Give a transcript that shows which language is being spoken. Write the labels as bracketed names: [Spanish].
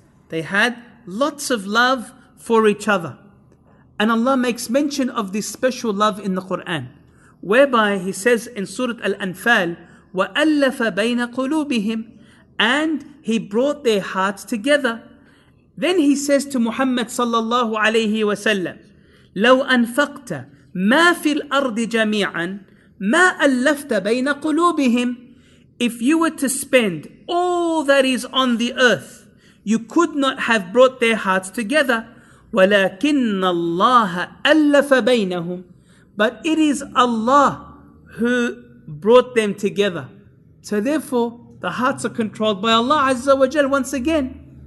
[English] They had lots of love for each other. And Allah makes mention of this special love in the Quran, whereby He says in Surah Al-Anfal, [Arabic] وَأَلَّفَ بَيْنَ قُلُوبِهِمْ, [English] and He brought their hearts together. Then He says to Muhammad sallallahu alayhi wa sallam, [Arabic] لَوْ أَنْفَقْتَ مَا فِي الْأَرْضِ جَمِيعًا مَا أَلَّفْتَ بَيْنَ قُلُوبِهِمْ. [English] If you were to spend all that is on the earth, you could not have brought their hearts together. [Arabic] وَلَكِنَّ اللَّهَ أَلَّفَ بَيْنَهُمْ. [English] But it is Allah who brought them together. So therefore, the hearts are controlled by Allah Azza wa Jal once again.